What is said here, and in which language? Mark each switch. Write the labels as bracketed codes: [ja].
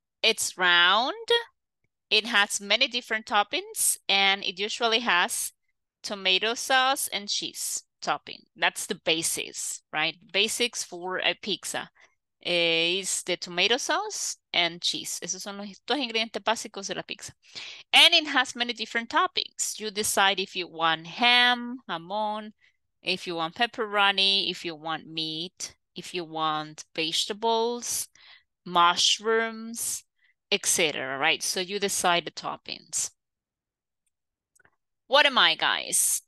[en] It's round. It has many different toppings, and it usually has tomato sauce and cheese topping. That's the basis, right? Basics for a pizza is the tomato sauce and cheese. [es] Esos son los dos ingredientes básicos de la pizza. [en] And it has many different toppings. You decide if you want ham, jamón, if you want pepperoni, if you want meat, if you want vegetables, mushrooms, etc., right? So you decide the toppings. What am I, guys?